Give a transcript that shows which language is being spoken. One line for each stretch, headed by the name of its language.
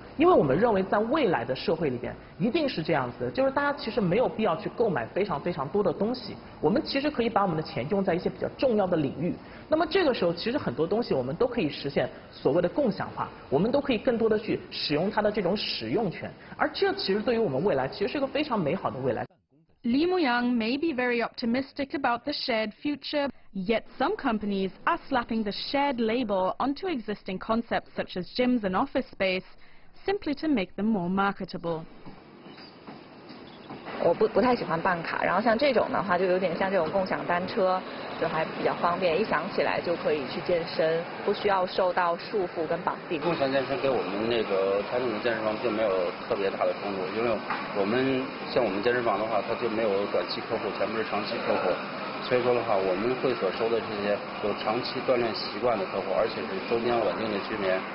Chinese: 因为我们认为，在未来的社会里边，一定是这样子，就是大家其实没有必要去购买非常非常多的东西，我们其实可以把我们的钱用在一些比较重要的领域。那么这个时候，其实很多东西我们都可以实现所谓的共享化，我们都可以更多的去使用它的这种使用权。而这其实对于我们未来，其实是一个非常美好的未来。
English: 李牧阳 may be very optimistic about the shared future, yet some companies are slapping the shared label onto existing concepts such as gyms and office space, simply to make them more marketable.
Chinese: 我不太喜欢办卡，然后像这种的话，就有点像这种共享单车，就还比较方便，一想起来就可以去健身，不需要受到束缚跟绑定。共享健身给我们那个传统的健身房并没有特别大的冲突，因为我们像我们健身房的话，它就没有短期客户，全部是长期客户，所以说的话，我们会所收的这些有长期锻炼习惯的客户，而且是周边稳定的居民。